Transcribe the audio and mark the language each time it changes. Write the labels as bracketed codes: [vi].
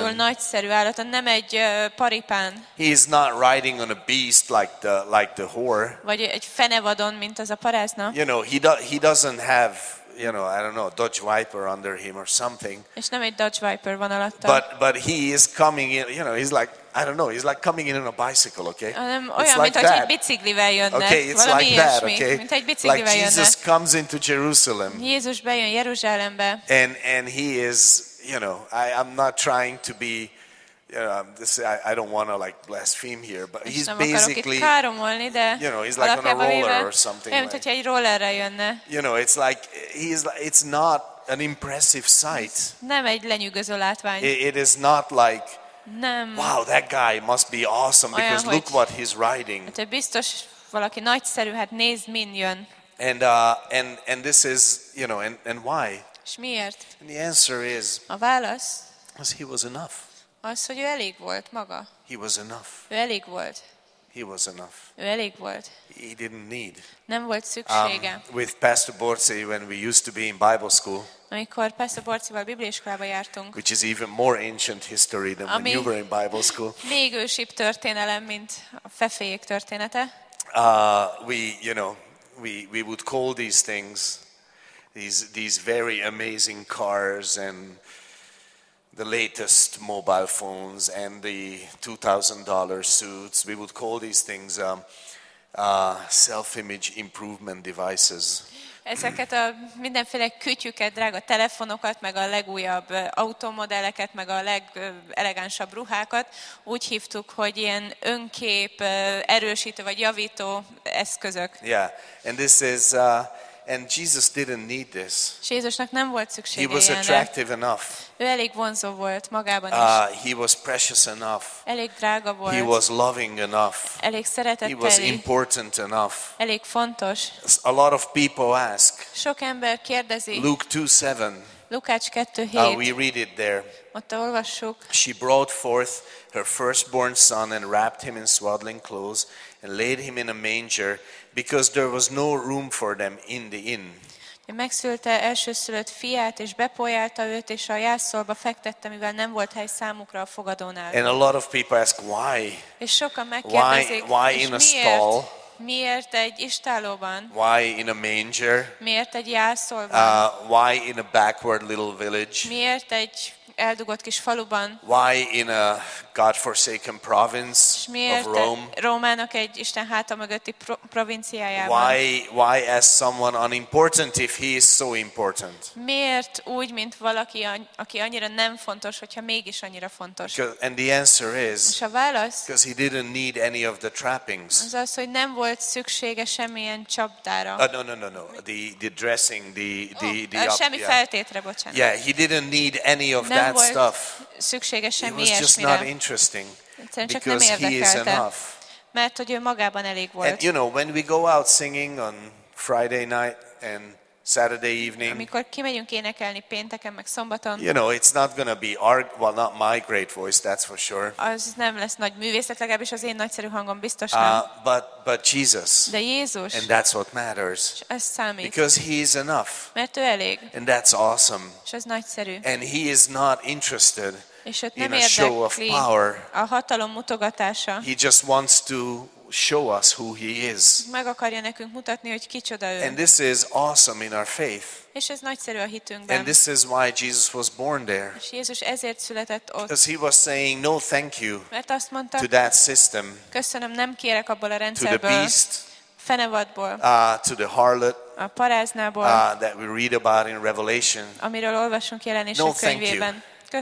[hu] Túl nagyszerű állaton, nem egy paripán. [en] He is not riding on a beast like the whore. [hu] Vagy egy fenevadon, mint az a parázna. [en] You know, he doesn't have, you know, I don't know, Dodge Viper under him or something. [hu] És nem egy Dodge Viper van alatta. [en] But he is coming in, you know, he's like, I don't know, he's like coming in on a bicycle, okay? [hu] Olyan, mint hogy egy biciklivel jönne. [en] Okay, it's like that, okay? [hu] Mint egy biciklivel [en] like [hu] jönne. [en] Jesus comes into Jerusalem. [hu] Jézus bejön Jeruzsálembe. [en] And he is, you know, I'm not trying to be, you know, I don't want to like blaspheme here, but he's basically, you know, he's like on a roller or something. You know, it's like it's not an impressive sight. [hu] Nem egy lenyűgöző látvány. [en] It is not like, wow, that guy must be awesome because look what he's riding. [hu] Te biztos valaki nagyszerű, hát nézd, min jön. [en] And this is, you know, and why? [hu] És miért? [en] And the answer is, [hu] a válasz, [en] because he was enough. [hu] Az, hogy ő elég volt maga. [en] He was enough. [hu] Ő elég volt. [en] He was enough. [hu] Ő elég volt. [en] He didn't need. [hu] Nem volt szüksége. [en] With Pastor Borci, when we used to be in Bible school. [hu] Amikor Pastor Borcival bibliaiskolába jártunk. [en] Which is even more ancient history than when you were in Bible school. [hu] Még ősibb történelem, mint a feféjék története. [en] We would call these things, these very amazing cars and the latest mobile phones and the $2,000 suits. We would call these things self-image improvement devices. [hu] Ezeket a mindenféle kütyüket, drága telefonokat, meg a legújabb automodelleket, meg a legelegánsabb ruhákat úgy hívtuk, hogy ilyen önkép, erősítő vagy javító eszközök. [en] Yeah, and this is... And Jesus didn't need this. [hu] Jézusnak nem volt szüksége. [en] He was attractive enough. [hu] Ő elég vonzó volt magában is. [en] He was precious enough. [hu] Elég drága volt. [en] He was loving enough. [hu] Elég szeretetteli. [en] He was important enough. [hu] Elég fontos. [en] A lot of people ask. [hu] Sok ember kérdezi. [en] Luke 2:7. [hu] Lukács 2:7. [en] We read it there. [hu] Ott olvassuk. [en] She brought forth her firstborn son and wrapped him in swaddling clothes and laid him in a manger, because there was no room for them in the inn. [hu] Megszülte elsőszülött fiát és bepojálta őt és a jászolba fektette, mivel nem volt hely számukra a fogadónál. [en] And a lot of people ask why. [hu] És sokan megkérdezik, [en] why in a stall? [hu] Miért egy istálóban? [en] Why in a manger? [hu] Miért egy jászolban? [en] Why in a backward little village? [hu] Miért egy eldugott kis faluban? [en] Why in a godforsaken province of Rome? [hu] Rómának egy Isten háta mögötti provinciájában? [en] Why as someone unimportant if he is so important? [hu] Miért úgy, mint valaki, aki annyira nem fontos, hogyha mégis annyira fontos? [en] And the answer is, [hu] és a válasz, [en] because he didn't need any of the trappings. [hu] Az az, hogy nem volt szüksége semmilyen csapdára. [en] No. The dressing, the [hu] up, semmi feltétre, bocsánat. [en] Yeah, he didn't need any of that stuff. [hu] Szüksége semmi ilyesmire. [en] It was just not interesting, because he is enough. [hu] Mert hogy ő magában elég volt. [en] And you know, when we go out singing on Friday night and Saturday evening. [hu] Amikor kimegyünk énekelni pénteken meg szombaton. [en] You know, it's not gonna be our, well, not my great voice, that's for sure. [hu] Az nem lesz nagy művészet, legalábbis az én nagyszerű hangom biztos nem. [en] But Jesus. [hu] De Jézus. [en] And that's what matters. [hu] Ez számít. [en] Because he is enough. [hu] Mert ő elég. [en] And that's awesome. [hu] És ez nagyszerű. [en] And he is not interested. [hu] És őt nem érdekli a hatalom mutogatása. [en] He just wants to show us who he is. [hu] Meg akarja nekünk mutatni, hogy kicsoda ő. [en] And this is awesome in our faith. [hu] És ez nagyszerű a hitünkben. [en] And this is why Jesus was born there. [hu] És Jézus ezért született ott. [en] Because he was saying no, thank you. [hu] Mert azt mondta, [en] to that system. [hu] Köszönöm, nem kérek abból a rendszerből. [en] To the beast. [hu] Fenevadból. [en] To the harlot. [hu] A paráznából. [en] That we read about in Revelation. [hu] Amiről olvasunk Jelenések [en] no, [hu] könyvében. [en] Thank you.